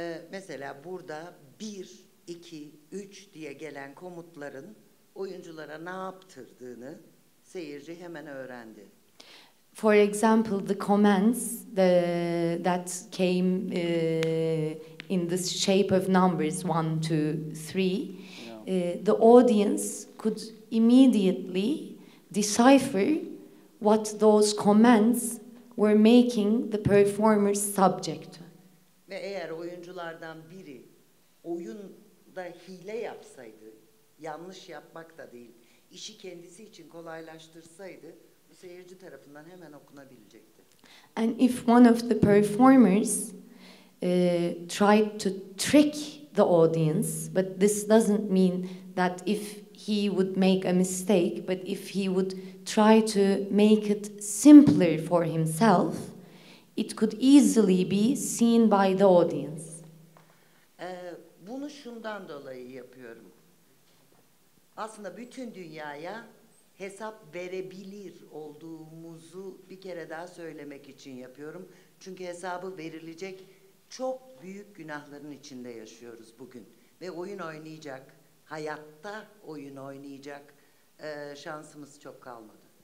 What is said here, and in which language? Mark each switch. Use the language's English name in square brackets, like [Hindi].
[Turkish] Mesela burada 1, 2, 3 diye gelen komutların oyunculara ne yaptırdığını seyirci hemen öğrendi. [English] For example, the commands that came in the shape of numbers 1, 2, 3, the audience could immediately decipher what those commands were making the performer's subject. [Turkish] Ve eğer oyunculardan biri oyunda hile yapsaydı, yanlış yapmak da değil, işi kendisi için kolaylaştırsaydı, bu seyirci tarafından hemen okunabilecekti. [English] And if one of the performers tried to trick the audience, but this doesn't mean that if he would make a mistake, but if he would try to make it simpler for himself, it could easily be seen by the audience. [Turkish] Bunu şundan dolayı yapıyorum. Aslında bütün dünyaya hesap verebilir olduğumuzu bir kere daha söylemek için yapıyorum. Çünkü hesabı verilecek çok büyük günahların içinde yaşıyoruz bugün. Ve oyun oynayacak, hayatta oyun oynayacak şansımız çok kalmadı.